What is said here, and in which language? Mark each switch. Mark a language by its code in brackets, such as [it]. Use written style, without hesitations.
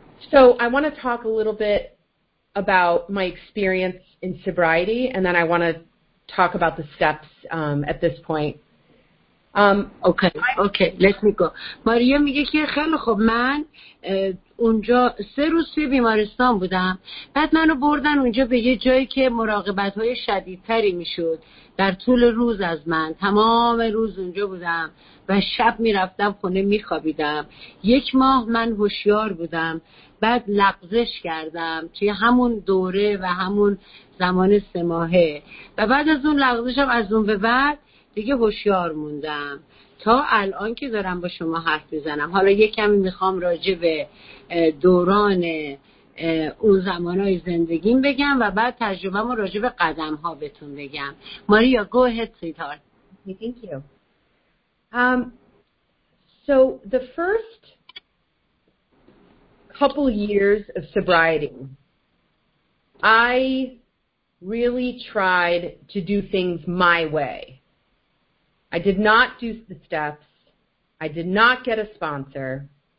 [en] So I want to talk a little bit about my experience in sobriety, and then I want to talk about the steps at this point. Okay, let me go. [fa] Maria میگه که خیلی خوب، من اونجا 3 روز توی بیمارستان بودم، بعد منو بردن اونجا به یه جایی که مراقبت های شدیدتری میشد در طول روز از من، تمام روز اونجا بودم و شب میرفتم خونه میخوابیدم. 1 ماه من هوشیار بودم، بعد لغزش کردم توی همون دوره و همون زمان 3 ماهه، و بعد از اون لغزشم از اون به بعد دیگه هوشیار موندم تا الان که دارم با شما حرف بزنم. حالا یکم میخوام راجع به دوران اون زمانای زندگیم بگم و بعد تجربه ما راجع به قدم ها بهتون بگم. [en] Maria, go ahead sweetheart. Thank you. So the first couple years of sobriety, I really tried to do things my way. I did not do the steps. I did not get a sponsor.